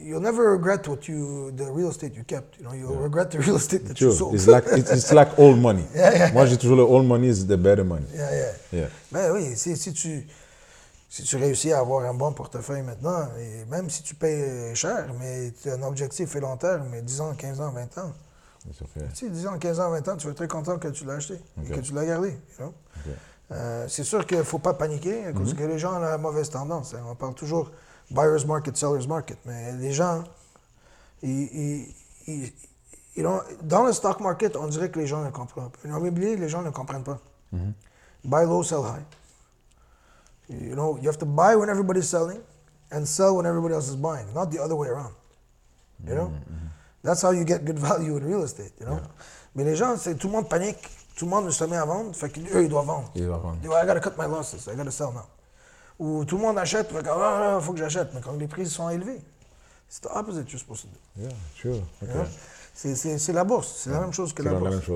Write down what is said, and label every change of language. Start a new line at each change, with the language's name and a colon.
English: You'll never regret the real estate you kept. You know, you'll regret the real estate that you sold. It's like old money. Yeah, yeah.
French: Moi, j'ai toujours le «
English: old money is the better money ». Yeah, yeah.
French: Ben oui, si tu réussis à avoir un bon portefeuille maintenant, et même si tu payes cher, mais tu as un objectif et long terme, mais 10 ans, 15 ans, 20 ans. Si 10 ans, 15 ans, 20 ans, tu vas être très content que tu l'as acheté et que tu l'as gardé.
English: You know?
French: C'est sûr qu'il ne faut pas paniquer parce que les gens ont la mauvaise tendance. On parle toujours « buyer's market, seller's market », mais les gens, ils ont, dans le stock market, on dirait que les gens ne comprennent pas. L'immobilier, les gens ne comprennent pas.
English: Buy low, sell high. You know, you have to buy when everybody's selling and sell when everybody else is buying, not the other way around. You know? That's how you get good value in real estate, you know?
French: Mais les gens, c'est tout le monde panique, tout le monde se met à vendre, fait qu'eux, ils doivent vendre.
English: I gotta cut my losses, I gotta sell now.
French: Ou tout le monde achète, fait qu'il faut que j'achète, mais quand les prix sont élevés, c'est
English: the opposite you're supposed to do. Yeah, sure. Okay. You know?
French: C'est la bourse, c'est la même chose que la bourse.